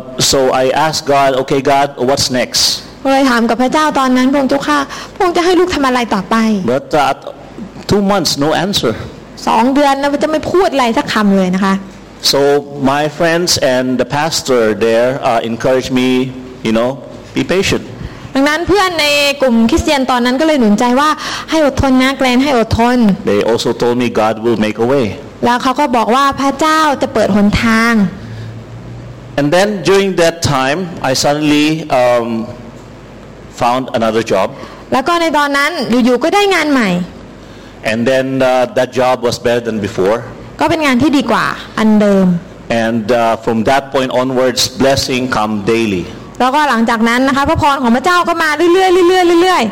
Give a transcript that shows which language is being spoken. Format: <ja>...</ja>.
<en>So I asked God, okay, God, what's next?</en> <th>เลยถามกับพระเจ้าตอนนั้นพระองค์เจ้าค่ะพระองค์จะให้ลูกทำอะไรต่อไป</th> <en>But2 months, no answer.</en> <th>2 เดือนแล้วจะไม่พูดอะไรสักคำเลยนะคะ</th> <en>So my friends and the pastor there encouraged me, you know, be patient.</en> <th>ดังนั้นเพื่อนในกลุ่มคริสเตียนตอนนั้นก็เลยหนุนใจว่าให้อดทนนะแกรนให้อดทน</th> <en>They also told me God will make a way.</en> <th>แล้วเขาก็บอกว่าพระเจ้าจะเปิดหนทาง</th> <en>And then during that time, I suddenly found another job.</en> <th>แล้วก็ในตอนนั้นอยู่ๆก็ได้งานใหม่</th> <en>And then that job was better than before.</en> <th>ก็เป็นงานที่ดีกว่าอันเดิม</th> <en>And from that point onwards, blessing come daily.</en> <th>แล้วก็หลังจากนั้นนะคะพระพรของพระเจ้าก็มาเรื่อยๆเรื่อยๆเรื่อย</th>